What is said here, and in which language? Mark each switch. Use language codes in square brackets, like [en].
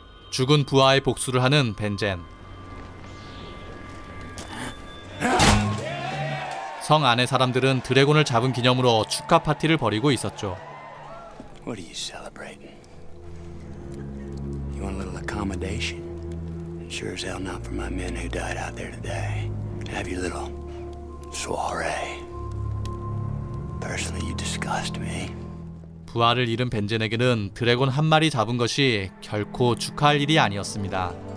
[ko] 죽은 부하의 복수를 하는 벤젠. 성 안의 사람들은 드래곤을 잡은 기념으로 축하 파티를 벌이고 있었죠. [en] What do you celebrate? You want a little accommodation? Sure as hell not for my men who died out there today. Have your little soiree. Personally, you disgust me. [ko] 부하를 잃은 벤젠에게는 드래곤 한 마리 잡은 것이 결코 축하할 일이 아니었습니다.